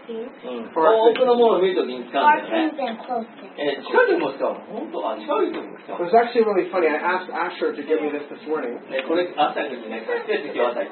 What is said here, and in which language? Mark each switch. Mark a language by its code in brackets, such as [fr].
[en] things. [ja] 遠くのものを見るときに使うんですね。近くも使うの？本当は近くも使うの？ [en] It's actually really funny. I asked Asher to give me this this morning. [ja] これ朝日にね、これ来てる時は朝日